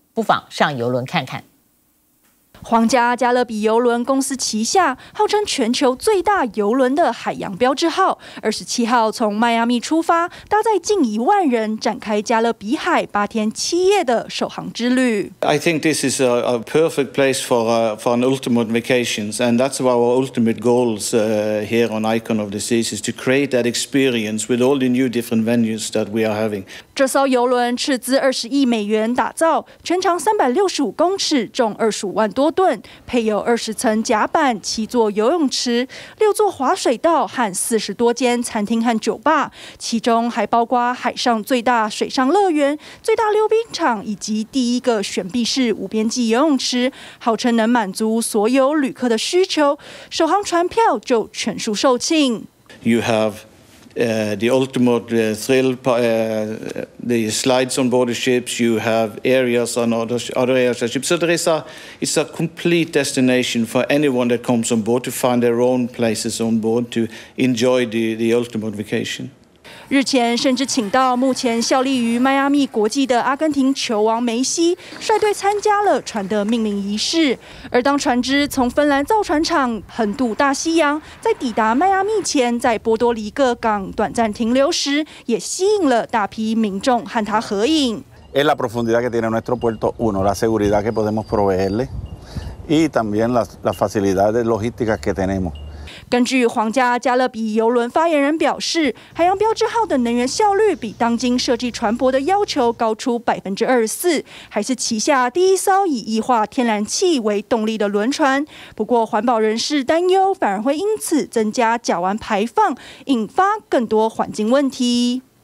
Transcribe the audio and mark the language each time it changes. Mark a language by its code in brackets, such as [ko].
[zh] 不妨上游轮看看。皇家加勒比邮轮公司旗下号称全球最大邮轮的海洋标志号，27号从迈阿密出发，搭载近10,000人，展开加勒比海8天7夜的首航之旅。 [en] I think this is a perfect place for an ultimate vacations, and that's our ultimate goals here on Icon of the Seas is to create that experience with all the new different venues that we are having. [zh] 这艘邮轮斥资20亿美元打造，全长365公尺，重25万多。配有20层甲板、7座游泳池、6座滑水道和40多间餐厅和酒吧，其中还包括海上最大水上乐园、最大溜冰场以及第一个悬臂式无边际游泳池，号称能满足所有旅客的需求。首航船票就全数售罄。 [en] You have the ultimate thrill, the slides on board the ships, you have areas on other areas of the ship. So there is it's a complete destination for anyone that comes on board to find their own places on board to enjoy the ultimate vacation. [zh] 日前甚至请到目前效力于迈阿密国际的阿根廷球王梅西率队参加了船的命名仪式。而当船只从芬兰造船厂横渡大西洋，在抵达迈阿密前在波多黎各港短暂停留时，也吸引了大批民众和他合影。 [es] Es la profundidad que tiene nuestro puerto, uno, la seguridad que podemos proveerle y también las facilidades logísticas que tenemos. [zh] 根据皇家加勒比邮轮发言人表示，海洋标志号的能源效率比当今设计船舶的要求高出24%，还是旗下第一艘以液化天然气为动力的轮船。不过，环保人士担忧反而会因此增加甲烷排放，引发更多环境问题。